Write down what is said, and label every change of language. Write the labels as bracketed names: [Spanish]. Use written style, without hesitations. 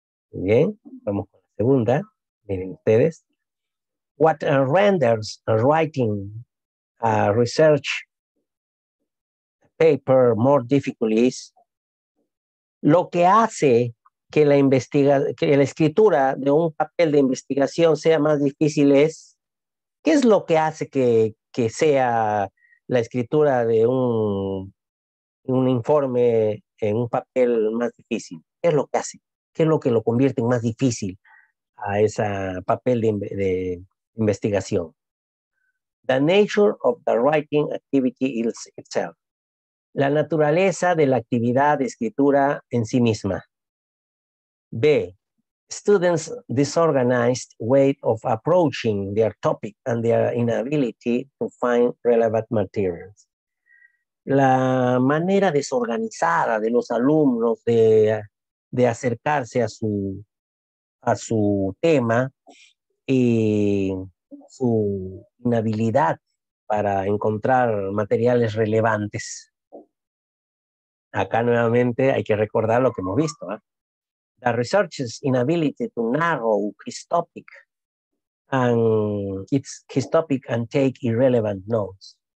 [Spanish] Muy bien, vamos con la segunda. Miren ustedes. [English] What renders writing a research paper more difficult is [Spanish] lo que hace que la escritura de un papel de investigación sea más difícil es, ¿qué es lo que hace que sea la escritura de un informe en un papel más difícil? ¿Qué es lo que hace? ¿Qué es lo que lo convierte en más difícil a ese papel de investigación? [English] The nature of the writing activity is itself. [Spanish] La naturaleza de la actividad de escritura en sí misma. B. [English] Students' disorganized way of approaching their topic and their inability to find relevant materials. [Spanish] La manera desorganizada de los alumnos de acercarse a su tema y su inhabilidad para encontrar materiales relevantes. Acá nuevamente hay que recordar lo que hemos visto, ¿eh? [English] The researcher's inability to narrow his topic and take irrelevant notes.